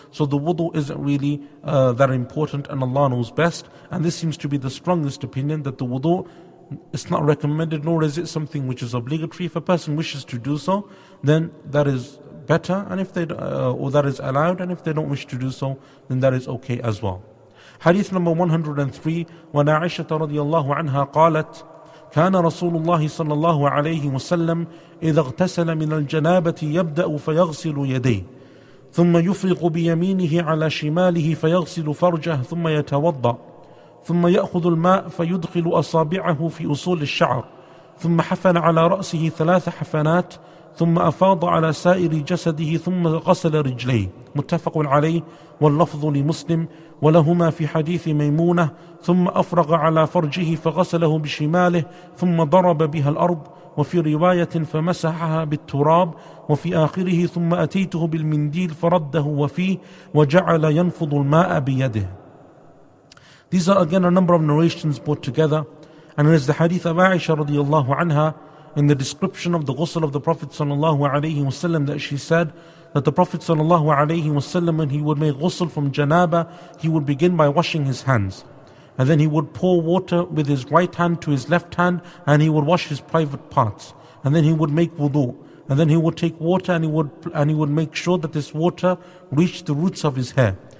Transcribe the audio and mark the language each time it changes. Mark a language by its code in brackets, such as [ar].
[en] So the wudu isn't really that important, and Allah knows best. And this seems to be the strongest opinion, that the wudu, it's not recommended, nor is it something which is obligatory. If a person wishes to do so, then that is better, and if they or that is allowed, and if they don't wish to do so, then that is okay as well. Hadith number 103, when Aisha radiallahu anha qalat, [ar] كان رسول الله صلى الله عليه وسلم إذا اغتسل من الجنابة يبدأ فيغسل يديه ثم يفرق بيمينه على شماله فيغسل فرجه ثم يتوضأ ثم يأخذ الماء فيدخل أصابعه في أصول الشعر ثم حفن على رأسه ثلاث حفنات ثم أفاض على سائر جسده ثم غسل رجليه متفق عليه واللفظ لمسلم ولهما في حديث ميمونة ثم أفرغ على فرجه فغسله بشماله ثم ضرب بها الأرض وفي رواية فمسحها بالتراب وفي آخره ثم أتيته بالمنديل فرده وفيه وجعل ينفض الماء بيده. [en] These are again a number of narrations brought together, and it is the hadith of Aisha radiallahu anha in the description of the ghusl of the Prophet sallallahu alayhi wa sallam, that she said that the Prophet sallallahu alayhi wa sallam, when he would make ghusl from janaba, he would begin by washing his hands, and then he would pour water with his right hand to his left hand, and he would wash his private parts, and then he would make wudu, and then he would take water and he would make sure that this water reached the roots of his hair.